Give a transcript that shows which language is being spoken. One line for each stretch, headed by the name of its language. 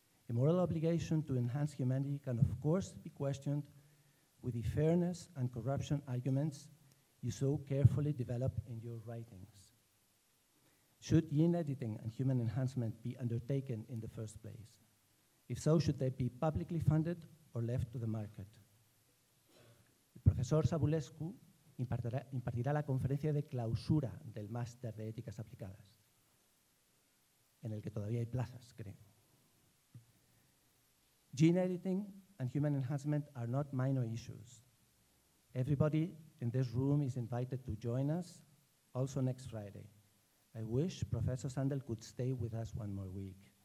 English: A moral obligation to enhance humanity can of course be questioned with the fairness and corruption arguments you so carefully develop in your writings. Should gene editing and human enhancement be undertaken in the first place? If so, should they be publicly funded or left to the market?
Spanish: El profesor Savulescu impartirá la conferencia de clausura del Máster de Éticas Aplicadas, en el que todavía hay plazas, creo.
English: Gene editing and human enhancement are not minor issues. Everybody in this room is invited to join us also next Friday. I wish Professor Sandel could stay with us one more week.